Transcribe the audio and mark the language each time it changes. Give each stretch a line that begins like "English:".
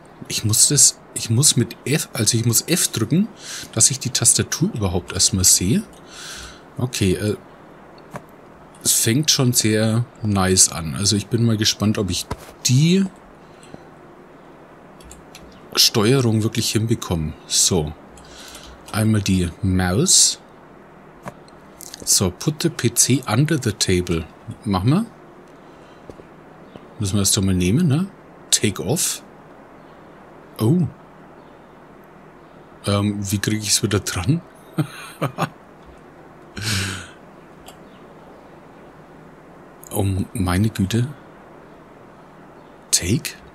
German: Ich muss F drücken, dass ich die Tastatur überhaupt erstmal sehe. Okay, es fängt schon sehr nice an. Also ich bin mal gespannt, ob ich die Steuerung wirklich hinbekomme. So, einmal die Maus.
English: So, put the PC under the table.
German: Machen wir. Müssen wir das doch mal nehmen, ne?
English: Take off.
German: Oh. Wie kriege ich es wieder dran? Oh, meine Güte. Take?